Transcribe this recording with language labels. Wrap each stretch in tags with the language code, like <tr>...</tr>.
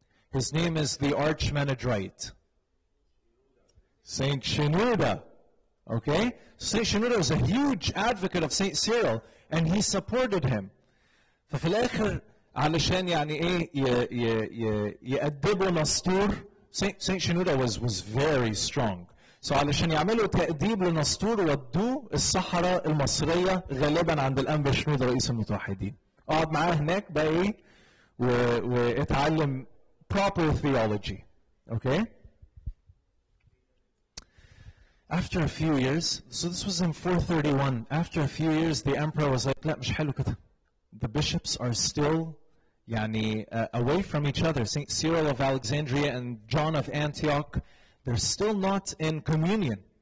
<en>His name is the Archmenadrite. St. Shenouda, okay? St. Shenouda was a huge advocate of St. Cyril, and he supported him.</en> <ar>ففي الآخر, علشان يعني إيه, يأدبوا نسطور, St.</ar> <en>Shenouda was very strong.</en> <ar>So علشان يعملوا تأديب لنسطور ودوا الصحراء المصرية غالبا عند الأنبا شنودة رئيس المتوحدين. قعد معاه هناك بقى إيه, واتعلم</ar> <en>proper theology, okay? After a few years, so this was in 431. After a few years, the emperor was like,</en> <ar>لا مش حلو كده.</ar> <en>The bishops are still away from each other. St. Cyril of Alexandria and John of Antioch, they're still not in communion.</en>